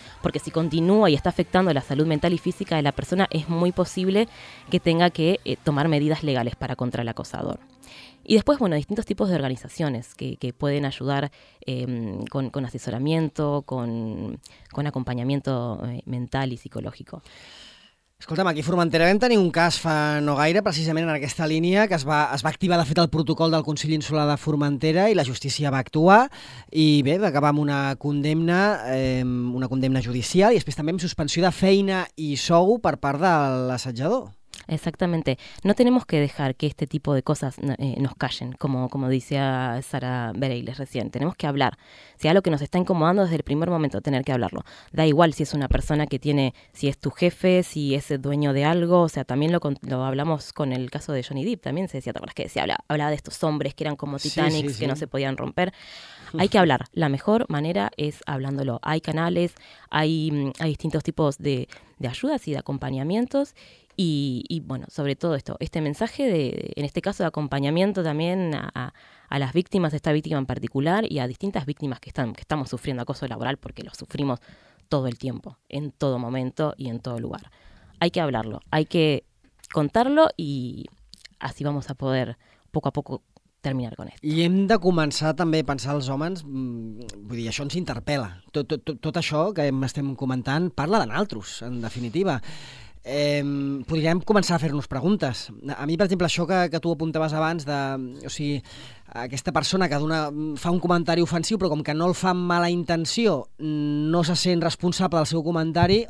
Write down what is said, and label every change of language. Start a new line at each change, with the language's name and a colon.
Spanish: porque si continúa y está afectando la salud mental y física de la persona, es muy posible que tenga que tomar medidas legales para contra el acosador. Y después, bueno, distintos tipos de organizaciones que pueden ayudar con asesoramiento, con acompañamiento mental y psicológico.
Catalan: Escolta'm, aquí a Formentera vam tenir un cas fa no gaire, precisament en aquesta línia, que es va activar, de fet, el protocol del Consell Insular de Formentera i la justícia va actuar, i bé, va acabar amb una condemna judicial i després també amb suspensió de feina i sou per part de l'assetjador.
Spanish: Exactamente. No tenemos que dejar que este tipo de cosas nos callen, como decía Sara Bereiles recién. Tenemos que hablar. Si algo que nos está incomodando desde el primer momento, tener que hablarlo. Da igual si es una persona que tiene, si es tu jefe, si es dueño de algo. O sea, también lo hablamos con el caso de Johnny Depp. También se decía, ¿te acuerdas que decía? Hablaba de estos hombres que eran como Titanic, sí. Que no se podían romper. Hay que hablar. La mejor manera es hablándolo. Hay canales, hay distintos tipos de ayudas y de acompañamientos. Y bueno, sobre todo esto, este mensaje de, en este caso, de acompañamiento también a las víctimas, a esta víctima en particular, y a distintas víctimas que estamos sufriendo acoso laboral, porque lo sufrimos todo el tiempo, en todo momento y en todo lugar. Hay que hablarlo, hay que contarlo, y así vamos a poder poco a poco terminar con esto.
Catalan: I hem de començar també a pensar els homes, vull dir, això ens interpel·la. Tot això que estem comentant parla de naltros, en definitiva. Podríem començar a fer-nos preguntes. A mi, per exemple, això que tu apuntaves abans de, o sigui, aquesta persona que fa un comentari ofensiu, però com que no el fa amb mala intenció, no se sent responsable del seu comentari.